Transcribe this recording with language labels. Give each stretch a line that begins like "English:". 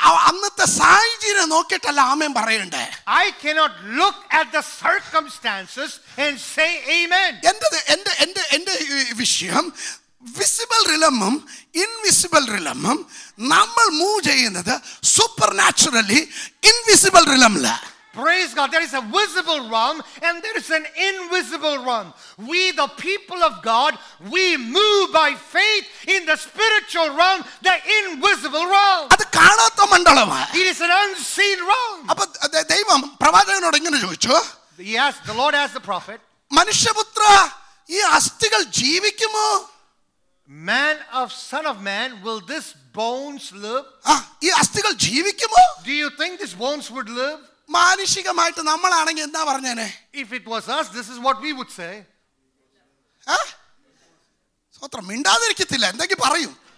Malayalam: അന്നത്തെ സാഹചര്യം നോക്കിയിട്ടല്ല ആമേൻ പറയണ്ടേ.
English: I cannot look at the circumstances and say amen.
Malayalam: എന്റെ വിഷയം വിസിബിൾ റിലമും ഇൻവിസിബിൾ റിലമും നമ്മൾ മൂവ് ചെയ്യുന്നത് super naturally invisible റിലമില.
English: Praise God, there is a visible realm and there is an invisible realm. We the people of God, we move by faith in the spiritual realm, the invisible realm.
Malayalam: അത് കാണാത്ത മണ്ഡലമാണ്.
English: It is an unseen realm.
Malayalam: അപ്പോൾ ദൈവം പ്രവാചകനോട് ഇങ്ങനെ ചോദിച്ചു.
English: Yes, the Lord asked the prophet.
Malayalam: മനുഷ്യപുത്ര, ഈ അസ്ഥികൾ ജീവിക്കുമോ?
English: Man of son of man, will this bones live?
Malayalam: ഈ അസ്ഥികൾ ജീവിക്കുമോ?
English: Do you think this bones would live?
Malayalam: മാനുഷികമായിട്ട് നമ്മളാണെങ്കിൽ എന്താ പറഞ്ഞേനെ?
English: If it was us, this is what we would say.
Malayalam: സ്വത്ര മിണ്ടാതിരിക്കത്തില്ല, എന്തെങ്കിലും പറയും.